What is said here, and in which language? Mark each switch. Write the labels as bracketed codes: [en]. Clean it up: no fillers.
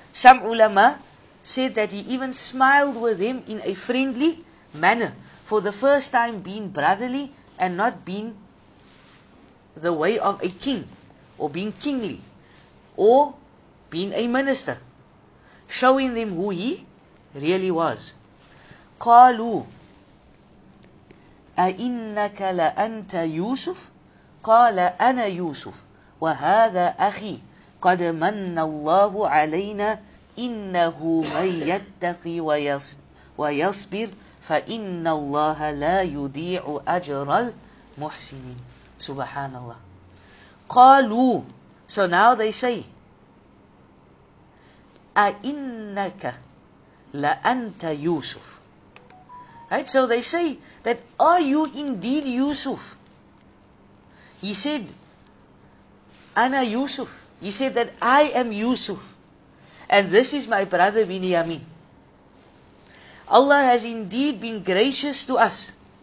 [en] Some ulama said that he even smiled with them in a friendly manner for the first time being brotherly and not being the way of a king or being kingly or being a minister, showing them who he really was. [ar] قالوا أإنك لأنت يوسف قال أنا يوسف وهذا أخي قد من الله علينا إنه من يتقي ويصبر فإن الله لا يضيع أجر المحسنين. سبحان الله. قالوا. [en] So now they say, [ar] أإنك لأنت يوسف. [en] Right? So they say that, are you indeed Yusuf? He said, [ar] أنا يوسف. [en] He said that, I am Yusuf. And this is my brother Binyamin. Allah has indeed been gracious to us.